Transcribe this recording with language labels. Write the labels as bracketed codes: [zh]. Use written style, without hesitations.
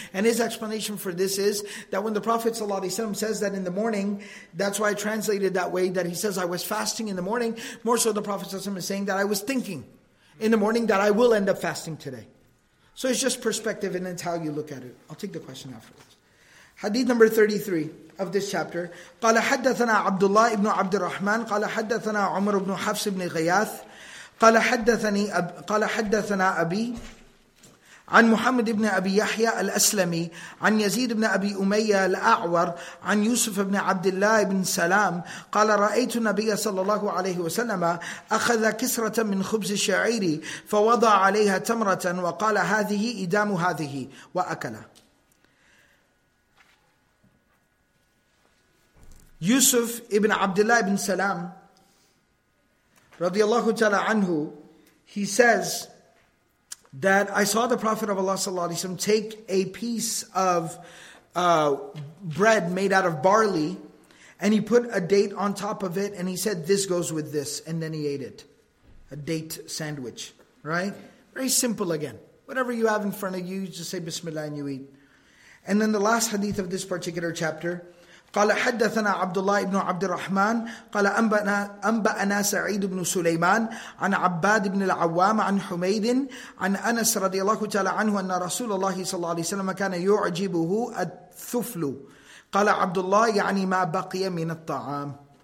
[en] And his explanation for this is that when the Prophet ﷺ says that in the morning, that's why I translated that way, that he says, "I was fasting in the morning." More so the Prophet ﷺ is saying that I was thinking in the morning that I will end up fasting today. So it's just perspective and it's how you look at it. I'll take the question afterwards. Hadith number 33 of this chapter. [ar] قَالَ حَدَّثَنَا عَبْدُ اللَّهِ ابْنُ عَبْدِ الرَّحْمَنِ قَالَ حَدَّثَنَا عُمَرُ بْنُ حَفْصِ بْنِ غَيَاثِ قَالَ حَدَّثَنَا أَبِي عن محمد بن أبي يحيى الأسلمي عن يزيد بن أبي أمية الأعور عن يوسف بن عبد الله بن سلام قال رأيت النبي صلى الله عليه وسلم أخذ كسرة من خبز الشعير فوضع عليها تمرة وقال هذه إدام هذه وأكل. [en] يوسف بن عبد الله بن سلام رضي الله تعالى عنه, he says that I saw the Prophet of Allah sallallahu alaihi wasallam take a piece of bread made out of barley and he put a date on top of it and he said, "This goes with this," and then he ate it. A date sandwich, right? Very simple again. Whatever you have in front of you, you just say Bismillah and you eat. And then the last hadith of this particular chapter, [ar] قال حدثنا عبد الله بن عبد الرحمن قال أنبأنا سعيد بن سليمان عن عباد بن العوام عن حميد عن أنس رضي الله تعالى عنه أن رسول الله صلى الله عليه وسلم كان يعجبه الثفل قال عبد الله يعني ما بقي من الطعام.